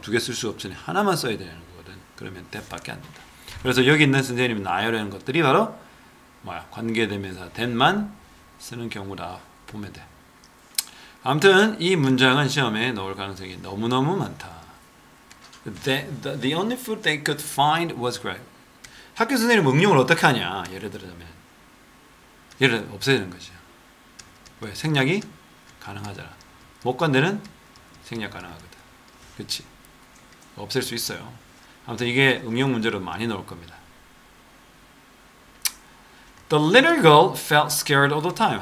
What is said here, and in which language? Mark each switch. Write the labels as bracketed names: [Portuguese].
[Korean] 두 개 쓸 수 없으니 하나만 써야 되는 거거든. 그러면 that밖에 안 된다. 그래서 여기 있는 선생님이 나열하는 것들이 바로 뭐야 관계대명사 that만 쓰는 경우다 보면 돼. 아무튼 이 문장은 시험에 넣을 가능성이 너무너무 많다. [English] The only food they could find was grape. [Korean] 학교 선생님 응용을 어떻게 하냐? 예를 들자면 예를 없애야 되는 거죠. 왜? 생략이 가능하잖아. 목관대는 생략 가능하거든. 그치? 없앨 수 있어요. 아무튼 이게 응용 문제로 많이 넣을 겁니다. [English] The little girl felt scared all the time.